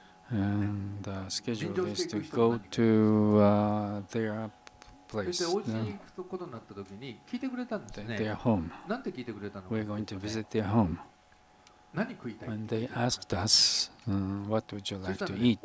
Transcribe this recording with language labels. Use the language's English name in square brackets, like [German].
[English] And the schedule is to go to their place. [Japanese] そしてお家に行くことになった時に聞いてくれたんですね。 [English] Their home. [Japanese] なんて聞いてくれたの [English] ？We're going to visit their home. When they asked us, what would you like to eat?